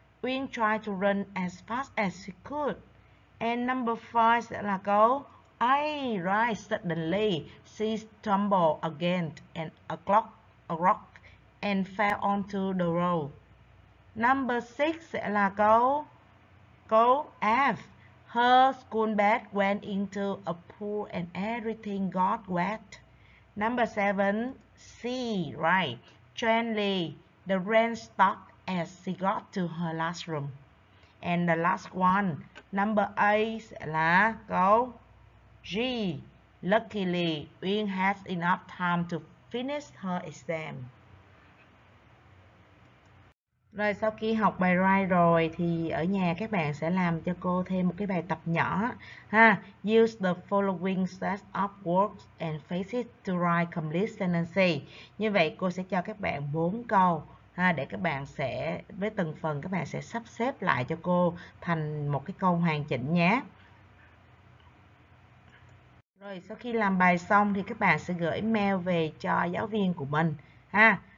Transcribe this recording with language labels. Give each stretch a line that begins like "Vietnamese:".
English: Uyên tried to run as fast as she could. And number five
Vietnamese: sẽ là câu
English: I, right? Suddenly, she stumbled against and a rock. And fell onto the road. Number 6
Vietnamese: sẽ là câu
English: F. Her school bag went into a pool and everything got wet. Number 7, C, right. Gently, the rain stopped as she got to her classroom. And the last one, number 8
Vietnamese: sẽ là câu
English: G. Luckily, Uyên has enough time to finish her exam.
Vietnamese: Rồi sau khi học bài write rồi thì ở nhà các bạn sẽ làm cho cô thêm một cái bài tập nhỏ ha.
English: Use the following set of words and phrases to write complete sentences.
Vietnamese: Như vậy cô sẽ cho các bạn 4 câu ha, để các bạn sẽ với từng phần các bạn sẽ sắp xếp lại cho cô thành một cái câu hoàn chỉnh nhé. Rồi sau khi làm bài xong thì các bạn sẽ gửi mail về cho giáo viên của mình ha.